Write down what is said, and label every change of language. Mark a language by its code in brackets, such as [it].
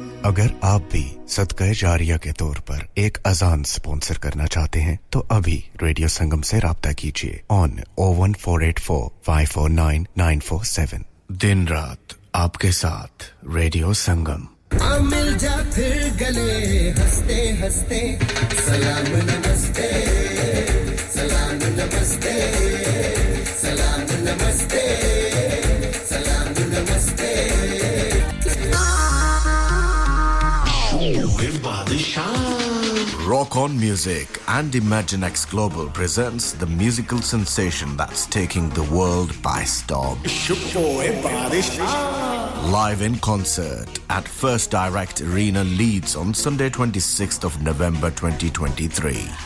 [ur] اگر آپ بھی صدقہ جاریہ کے طور پر ایک اذان سپونسر کرنا چاہتے ہیں تو ابھی ریڈیو سنگم سے رابطہ کیجئے on 01484549947. دن رات آپ کے ساتھ ریڈیو سنگم. آ مل جا پھر گلے ہستے ہستے سلام نمستے سلام نمستے سلام نمستے سلام نمستے. [en] Rock On Music and Imagine X Global presents the musical sensation that's taking the world by storm. Live in concert at First Direct Arena Leeds on Sunday 26th of November 2023.